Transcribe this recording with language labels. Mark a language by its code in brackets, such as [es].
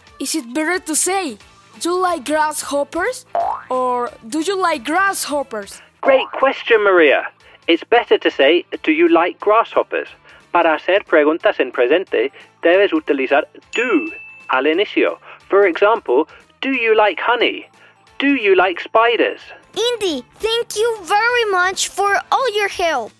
[en] Is it better to say, do you like grasshoppers? Or do you like grasshoppers? Great question, María. It's better to say, do you like grasshoppers? [es] Para hacer preguntas en presente, debes utilizar do al inicio. [en] For example, do you like honey? Do you like spiders? Indy, thank you very much for all your help.